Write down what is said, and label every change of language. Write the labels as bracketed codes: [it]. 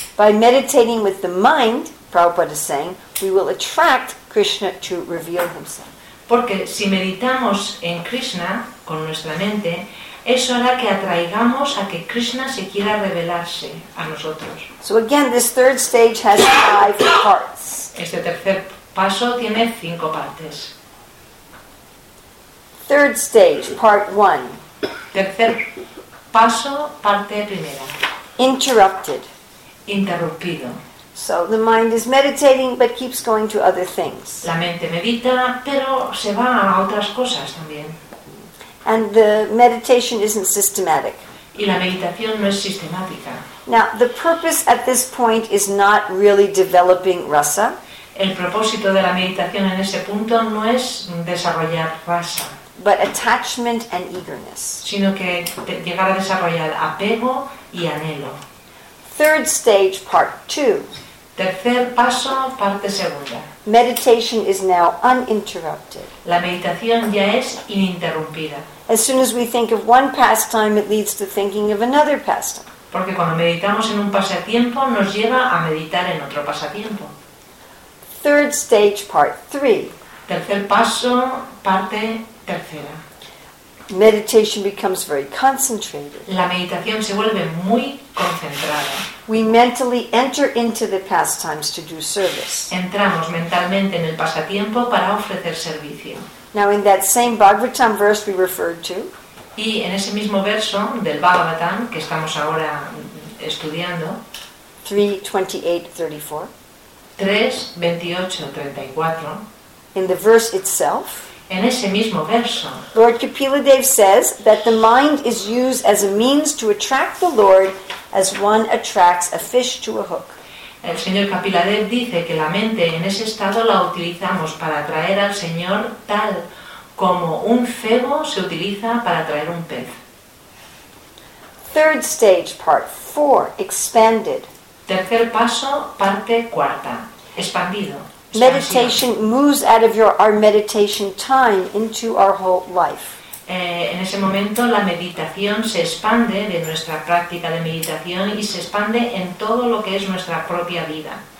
[en] By meditating with the mind, Prabhupada is saying, we will attract Krishna to reveal himself. [es] Porque si meditamos en Krishna con nuestra mente, eso hará que atraigamos a que Krishna se quiera revelarse a nosotros. [en] So again, this third stage has five parts. [es] Este tercer paso tiene cinco partes. [en] Third stage, part one. [es] Tercer paso, parte primera. [en] Interrupted. [es] Interrumpido. [en] So the mind is meditating but keeps going to other things. [es] La mente medita, pero se va a otras cosas también. [en] And the meditation isn't systematic. [es] Y la meditación no es sistemática. [en] Now, the purpose at this point is not really developing rasa. [es] El propósito de la meditación en ese punto no es desarrollar rasa. [en] But attachment and eagerness. [es] Sino que llegar a desarrollar apego y anhelo. [en] Third stage, part two. [es] Tercer paso, parte segunda. [en] Meditation is now uninterrupted. [es] La meditación ya es ininterrumpida. [en] As soon as we think of one pastime, it leads to thinking of another pastime. [es] Porque cuando meditamos en un pasatiempo, nos lleva a meditar en otro pasatiempo. [en] Third stage, part three. [es] Tercer paso, parte tercera. [en] Meditation becomes very concentrated. [es] La meditación se vuelve muy concentrada. [en] We mentally enter into the pastimes to do service. [es] Entramos mentalmente en el pasatiempo para ofrecer servicio. [en] Now in that same Bhagavatam verse we referred to. [es] Y en ese mismo verso del Bhagavatam que estamos ahora estudiando. [en] 3:28-34. [es] 3:28-34. [en] In the verse itself. [es] En ese mismo verso. [en] Lord Kapiladeva says that the mind is used as a means to attract the Lord as one attracts a fish to a hook. [es] El señor Kapiladeva dice que la mente en ese estado la utilizamos para atraer al Señor tal como un cebo se utiliza para atraer un pez. [en] Third stage, part 4, expanded. [es] Tercer paso, parte cuarta, expandido. [en] Meditation moves out of our meditation time into our whole life. [es] En ese momento la meditación se expande de nuestra práctica de meditación y se expande en todo lo que es nuestra propia vida.